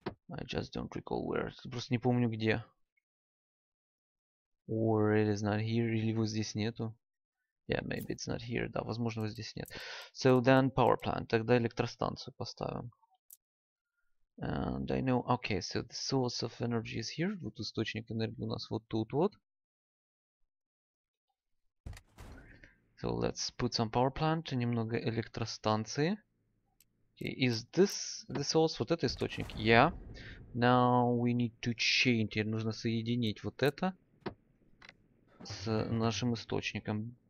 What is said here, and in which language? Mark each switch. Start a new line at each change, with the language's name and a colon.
English: I just don't recall where.
Russian: Просто не помню где.
English: Or it is not here.
Russian: Или его здесь нету.
English: Yeah, maybe it's not here.
Russian: Да, возможно, его здесь нет.
English: So, then power plant.
Russian: Тогда электростанцию поставим.
English: And I know, okay, so the source of energy is here.
Russian: Вот источник энергии у нас вот тут вот.
English: So let's put some power plant,
Russian: немного электростанции.
English: Okay, is this the source?
Russian: Вот это источник?
English: Yeah. Now we need to change.
Russian: Теперь нужно соединить вот это с нашим источником.